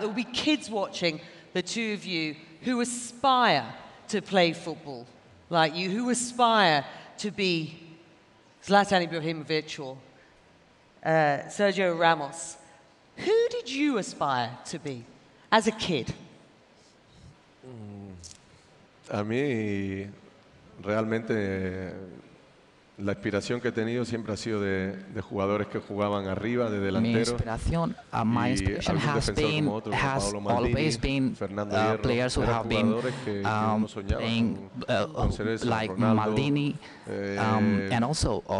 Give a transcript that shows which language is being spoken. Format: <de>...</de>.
<en>There will be kids watching, the two of you, who aspire to play football like you, who aspire to be Zlatan Ibrahimovic or Sergio Ramos. Who did you aspire to be as a kid?</en> <es>A mí, realmente, la inspiración que he tenido siempre ha sido de jugadores que jugaban arriba, de delantero.</es> <en>My inspiration has always been Fernando Hierro, players who have been playing like Maldini, and also</en>